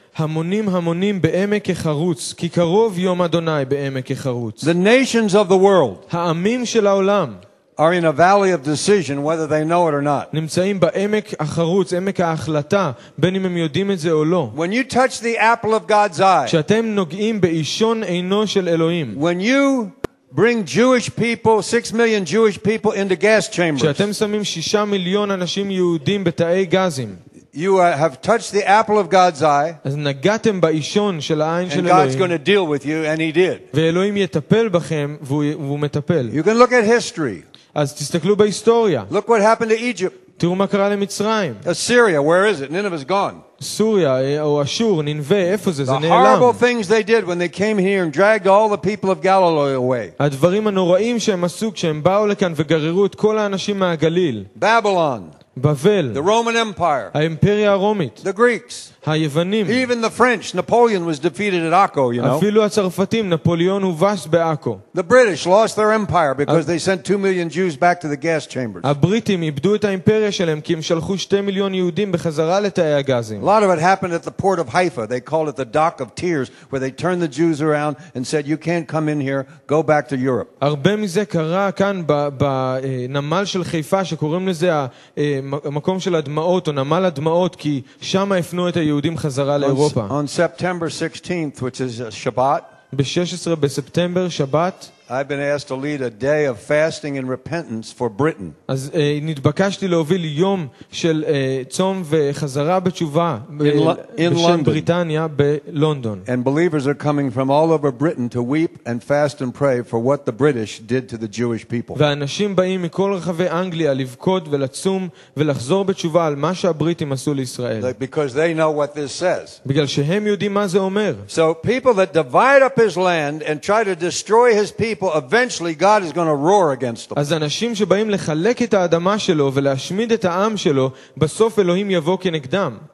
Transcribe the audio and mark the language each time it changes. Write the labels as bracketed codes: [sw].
[he] המונים המונים בעמק החרוץ, כי קרוב יום אדוני בעמק החרוץ. [en] The nations of the world. [he] העמים של העולם. [en] Are in a valley of decision whether they know it or not. [he] נמצאים בעמק החרוץ, עמק ההחלטה, בין אם הם יודעים את זה או לא. [en] When you touch the apple of God's eye. [he] כשאתם נוגעים באישון עינו של אלוהים. [en] When you bring Jewish people, 6 million Jewish people into gas chambers. [he] כשאתם שמים 6 מיליון אנשים יהודים בתאי גזים. [en] You have touched the apple of God's eye. [he] אז נגעתם באישון של העין של [en] אלוהים. And God's going to deal with you, and he did. [he] ואלוהים יטפל בכם, והוא מטפל. [en] You can look at history. [he] אז תסתכלו בהיסטוריה. [en] Look what happened to Egypt. [he] תראו מה קרה למצרים. [en] Assyria, where is it? Nineveh is gone. [he] סוריה או אשור, נינווה, איפה זה? זה נעלם. [en] The horrible things they did when they came here and dragged all the people of Galilee away. [he] הדברים הנוראים שהם עשו כשהם באו לכאן וגררו את כל האנשים מהגליל. [en] Babylon. [he] בבל, [en] the Roman Empire, [he] האימפריה הרומית, [en] the Greeks, [he] היוונים, [en] even the French, Napoleon was defeated at Akko, you know. [he] אפילו הצרפתים, נפוליאון הובס באקו. [en] The British lost their empire because they sent 2 million Jews back to the gas chambers. [he] הבריטים איבדו את האימפריה שלהם כי הם שלחו 2 מיליון יהודים בחזרה לתאי הגזים. [en] A lot of it happened at the port of Haifa. They called it the dock of tears, where they turned the Jews around and said, "You can't come in here. Go back to Europe." [he] הרבה מזה קרה כאן בנמל של חיפה שקוראים לזה המקום של הדמעות או נמל הדמעות, כי שם הפנו את היהודים חזרה לאירופה. [en] On September 16th, which is a Shabbat, [he] ב-16 בספטמבר, שבת, [en] I've been asked to lead a day of fasting and repentance for Britain. [he] אז נתבקשתי להוביל יום של צום וחזרה בתשובה בשם בריטניה בלונדון. [en] And believers are coming from all over Britain to weep and fast and pray for what the British did to the Jewish people. [he] ואנשים באים מכל רחבי אנגליה לבכות ולצום ולחזור בתשובה על מה שהבריטים עשו לישראל. [en] Because they know what this says. [he] בגלל שהם יודעים מה זה אומר. [en] So people that divide up his land and try to destroy his people, eventually God is going to roar against them. [he] אז אנשים שבאים לחלק את האדמה שלו ולהשמיד את העם שלו, בסוף אלוהים יבוא כנגדם.